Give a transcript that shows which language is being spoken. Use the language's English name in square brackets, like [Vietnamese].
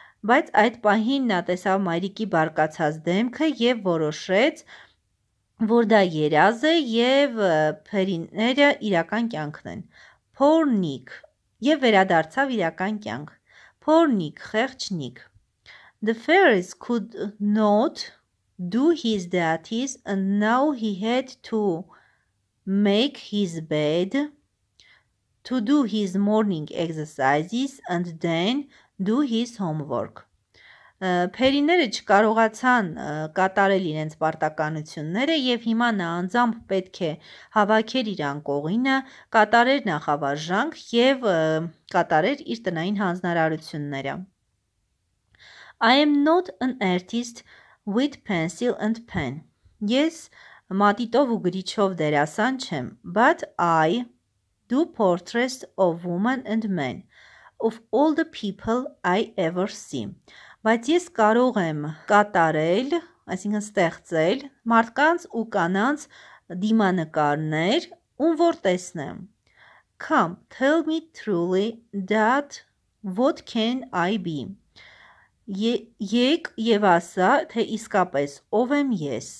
[Armenian] Բայց այդ պահին նա տեսավ մայրիկի բարկացած դեմքը եւ որոշեց, որ դա երազ է եւ ֆերիները իրական կյանքն են։ [English] Poor Nick. [Armenian] Եվ վերադարձավ իրական կյանք։ [English] Poor Nick, [Armenian] խեղճ Nick. [English] The fairies could not do his deities and now he had to make his bed, to do his morning exercises and then do his homework. [Armenian] Փերիները չկարողացան կատարել իրենց պարտականությունները եւ հիմա նա անձամբ պետք է հավաքեր իր անկողինը, կատարեր նախավարժանք եւ կատարեր իր տնային հանձնարարությունները։ [English] I am not an artist with pencil and pen. Yes, [Armenian] մատիտով ու գրիչով դերասան չեմ, [English] but I do portraits of women and men, of all the people I ever see. [Armenian] Բայց ես կարող եմ կատարել, այսինքն ստեղծել, մարդկանց ու կանանց դիմանկարներ, ում որ տեսնեմ. [English] Come, tell me truly that what can I be? [Armenian] Եկ եւ ասա, թե իսկապես ով եմ ես։